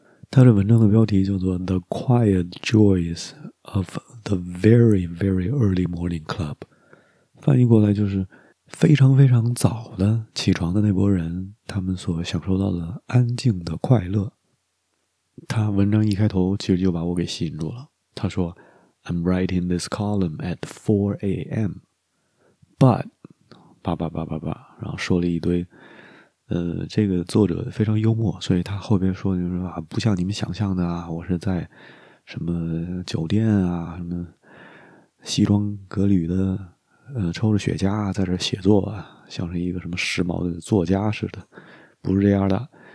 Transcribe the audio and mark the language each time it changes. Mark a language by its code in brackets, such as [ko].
[zh] 他的文章的标题叫做 The Quiet Joys of the Very Very Early Morning Club，翻译过来就是非常非常早的起床的那波人，他们所享受到的安静的快乐。他文章一开头其实就把我给吸引住了。他说 [en] I'm writing this column at 4 a.m. But [zh] 叭叭叭叭叭，然后说了一堆这个作者非常幽默，所以他后边说就是说啊，不像你们想象的啊，我是在什么酒店啊，什么西装革履的抽着雪茄在这写作啊，像是一个什么时髦的作家似的，不是这样的。